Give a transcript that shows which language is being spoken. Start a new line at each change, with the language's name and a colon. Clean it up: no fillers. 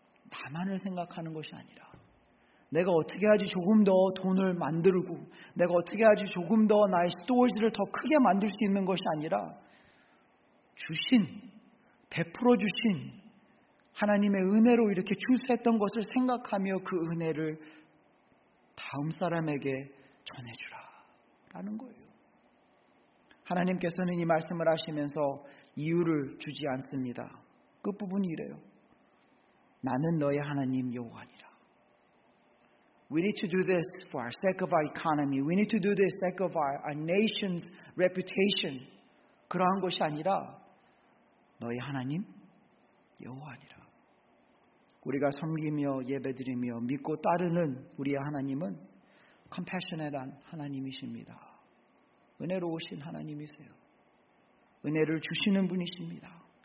Korean: 나만을 생각하는 것이 아니라 내가 어떻게 하지 조금 더 돈을 만들고 내가 어떻게 하지 조금 더 나의 스토어지를 더 크게 만들 수 있는 것이 아니라 주신, 베풀어 주신 하나님의 은혜로 이렇게 추수했던 것을 생각하며 그 은혜를 다음 사람에게 전해주라 라는 거예요. 하나님께서는 이 말씀을 하시면서 이유를 주지 않습니다. 끝부분이 이래요. 나는 너의 하나님 여호와니라.
English: We need to do this for our sake of our economy. We need to do this sake of our nation's reputation.
Korean: 그러한 것이 아니라 너의 하나님 여호와니라. 우리가 섬기며 예배드리며 믿고 따르는 우리의 하나님은 compassionate한 하나님이십니다. 은혜로우신 하나님이세요. 은혜를 주시는 분이십니다.